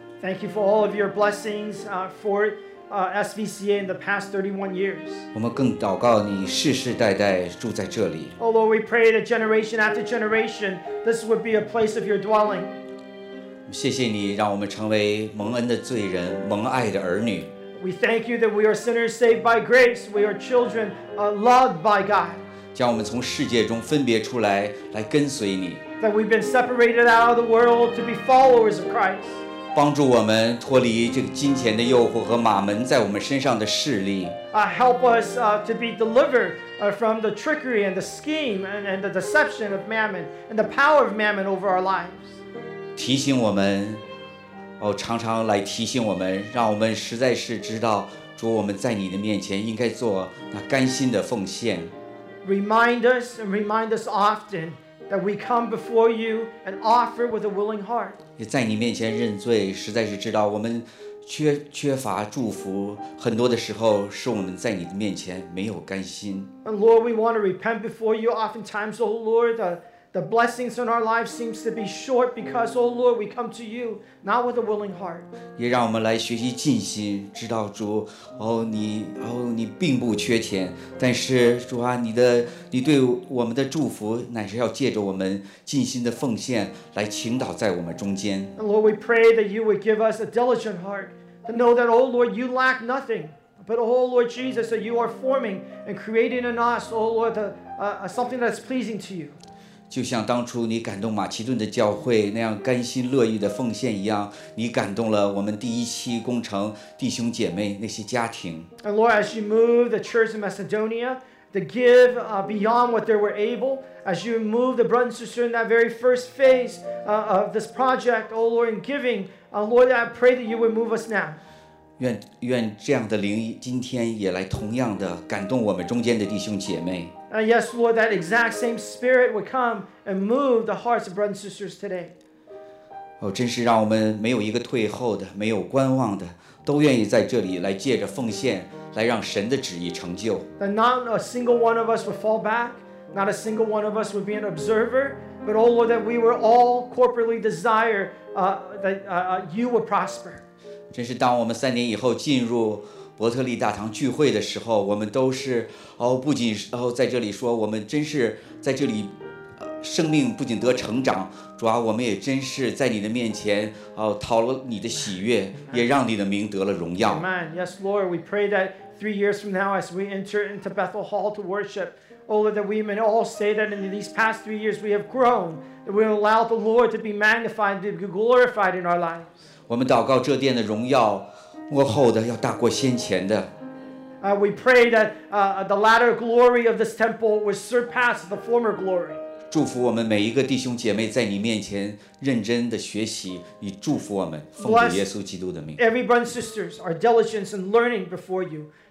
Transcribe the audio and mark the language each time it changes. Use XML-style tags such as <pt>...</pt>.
<en>Thank you for all of your blessings for SVCA in the past 31 years.</en> <zh>我们更祷告你世世代代住在这里。</zh> <en>Oh Lord, we pray that generation after generation, this would be a place of your dwelling.</en> <zh>谢谢你让我们成为蒙恩的罪人，蒙爱的儿女。</zh> <en>We thank you that we are sinners saved by grace. We are children loved by God.</en> <zh>将我们从世界中分别出来，来跟随你。</zh> <en>That we've been separated out of the world to be followers of Christ.</en> <zh>帮助我们脱离这个金钱的诱惑和马门在我们身上的势力。</zh> <en>Help us to be delivered from the trickery and the scheme and the deception of mammon and the power of mammon over our lives.</en> <zh>提醒我们，常常来提醒我们，让我们实在是知道主，我们在你的面前应该做那甘心的奉献。</zh> <en>Remind us and remind us often that we come before you and offer with a willing heart.</en> <zh>也在你面前认罪，实在是知道我们缺乏祝福，很多的时候是我们在你的面前没有甘心。</zh> <en>And Lord, we want to repent before you. Oftentimes, O Lord, the blessings in our lives seems to be short because, O Lord, we come to you not with a willing heart.</en> <zh>也让我们来学习尽心，知道主，你并不缺钱，但是主啊，你对我们的祝福乃是要借着我们尽心的奉献来倾倒在我们中间。</zh> <en>And Lord, we pray that you would give us a diligent heart to know that, O Lord, you lack nothing, but, O Lord Jesus, that you are forming and creating in us, O Lord, something that's pleasing to you.</en> <zh>就像当初你感动马其顿的教会那样甘心乐意的奉献一样，你感动了我们第一期工程弟兄姐妹那些家庭。</zh> <en>And Lord, as you move the church in Macedonia to give beyond what they were able, as you move the brothers and sisters in that very first phase of this project, O Lord, in giving, Lord, I pray that you would move us now.</en> <zh>愿这样的灵今天也来同样的感动我们中间的弟兄姐妹。</zh> <en>Yes, Lord, that exact same spirit would come and move the hearts of brothers and sisters today.</en> <zh>真是让我们没有一个退后的，没有观望的，都愿意在这里来借着奉献来让神的旨意成就。</zh> <en>That not a single one of us would fall back, not a single one of us would be an observer, but, oh Lord, that we would all corporately desire you would prosper.</en> <zh>真是当我们三年以后进入伯特利大堂聚会的时候，我们都是不仅在这里说我们真是在这里生命不仅得成长，主啊，我们也真是在你的面前讨了你的喜悦，也让你的名得了荣耀。</zh> <en>Amen. Yes, Lord, we pray that 3 years from now as we enter into Bethel Hall to worship, O Lord, that we may all say that in these past 3 years we have grown, that we will allow the Lord to be magnified, to be glorified in our lives.</en> <zh>我们祷告这殿的荣耀幕后的要大过先前的。</zh> <en>We pray that the latter glory of this temple would surpass the former glory.</en> <zh>祝福我们每一个弟兄姐妹在你面前认真的学习，你祝福我们，奉主耶稣基督的名。</zh> <en>Bless every brothers and sisters, our diligence in learning before you.</en>